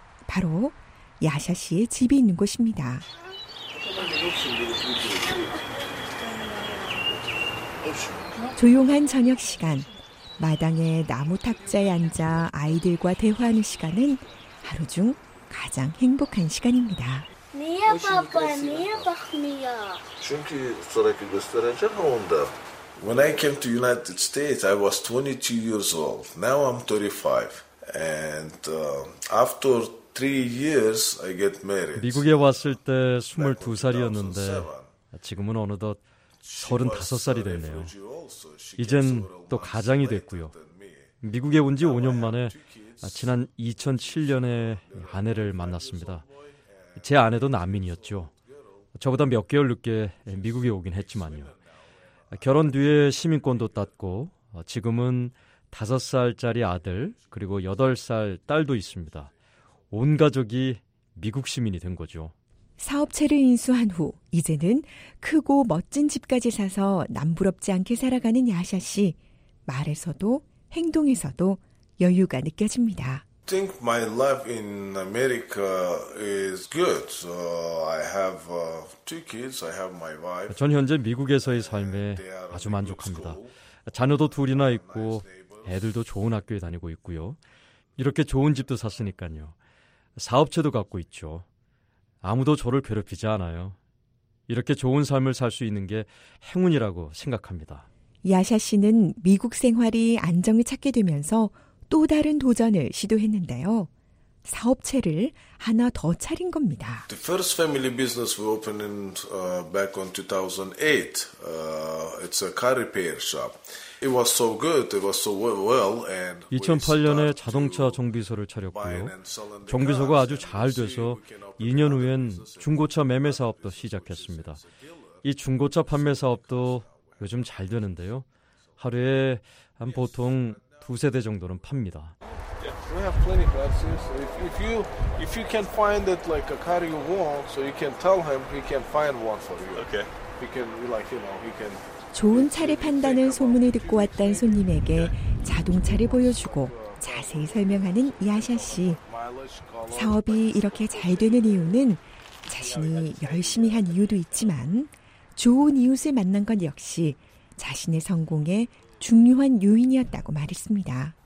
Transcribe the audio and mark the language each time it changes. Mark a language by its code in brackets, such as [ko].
[ko] 바로 야샤 씨의 집이 있는 곳입니다. 조용한 저녁 시간, 마당에 나무 탁자에 앉아 아이들과 대화하는 시간은 하루 중 가장 행복한 시간입니다. [en] When I came to United States, I was 22 years old. Now I'm 35. And after three years, I get married. [ko] 미국에 왔을 때 22살이었는데 지금은 어느덧 35살이 됐네요. 이젠 또 가장이 됐고요. 미국에 온 지 5년 만에 지난 2007년에 아내를 만났습니다. 제 아내도 난민이었죠. 저보다 몇 개월 늦게 미국에 오긴 했지만요. 결혼 뒤에 시민권도 땄고 지금은 5살짜리 아들 그리고 8살 딸도 있습니다. 온 가족이 미국 시민이 된 거죠. 사업체를 인수한 후 이제는 크고 멋진 집까지 사서 남부럽지 않게 살아가는 야샤 씨. 말에서도 행동에서도 여유가 느껴집니다. [en] I think my life in America is good. So I have two kids. I have my wife. [ko] 전 현재 미국에서의 삶에 아주 만족합니다. 자녀도 둘이나 있고 애들도 좋은 학교에 다니고 있고요. 이렇게 좋은 집도 샀으니까요. 사업체도 갖고 있죠. 아무도 저를 괴롭히지 않아요. 이렇게 좋은 삶을 살 수 있는 게 행운이라고 생각합니다. 야샤 씨는 미국 생활이 안정을 찾게 되면서 또 다른 도전을 시도했는데요. 사업체를 하나 더 차린 겁니다. [en] The first family business we opened in, back on 2008. It's a car repair shop. It was so good. It was so well. And [ko] 2008년에 자동차 정비소를 차렸고요. 정비소가 아주 잘 돼서 2년 후엔 중고차 매매 사업도 시작했습니다. 이 중고차 판매 사업도 요즘 잘 되는데요. 하루에 한 보통 두세 대 정도는 팝니다. [en] We have plenty of cars. If you can find it like a car you want, so you can tell him he can find one for you. Okay. He can like you know he can. [ko] 좋은 차를 판다는 소문을 듣고 왔던 손님에게 자동차를 보여주고 자세히 설명하는 야샤 씨. 사업이 이렇게 잘 되는 이유는 자신이 열심히 한 이유도 있지만 좋은 이웃을 만난 건 역시 자신의 성공에 중요한 요인이었다고 말했습니다.